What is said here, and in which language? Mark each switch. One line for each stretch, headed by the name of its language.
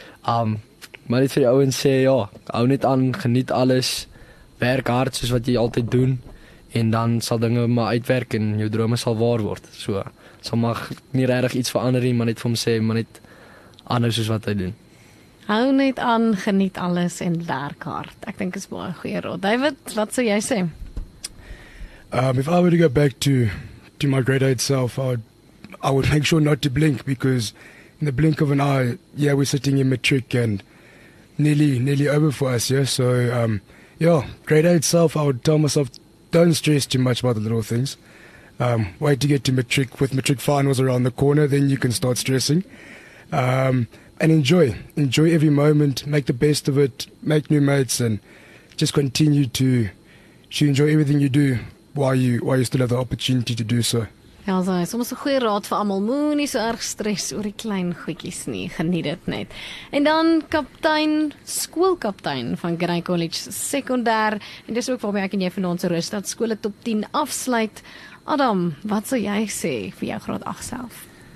Afrikaans: Maar net vir die ouens sê ja, hou net aan, geniet alles. Werk hard soos wat jy altyd doen en dan sal dinge maar uitwerk en jou drome sal waar word. So sal maar nie regtig iets verander nie, maar net vir hom sê, maar net aanhou soos wat hy doen. Hou net aan, geniet alles en werk hard. Ek dink is baie goeie raad. David, wat sou jy sê?
English: If I were to go back to my grade 8 self, I would make sure not to blink, because in the blink of an eye, yeah, we're sitting in matric and nearly over for us, yeah? So, grade 8 self, I would tell myself, don't stress too much about the little things. Wait to get to matric, with matric finals around the corner, then you can start stressing. And enjoy every moment, make the best of it, make new mates, and just continue to enjoy everything you do while you still have the opportunity to do so.
Afrikaans: Ja, so is ons 'n goeie raad vir almal. Moenie so erg stres oor die klein goedjies nie. Geniet dit net. En dan skoolkaptein van Grey College sekondêr, en dis ook waarmee ek en jy vanaand se Rosestad skole top 10 afsluit. Adam, wat sou jy sê vir jou graad 8 self?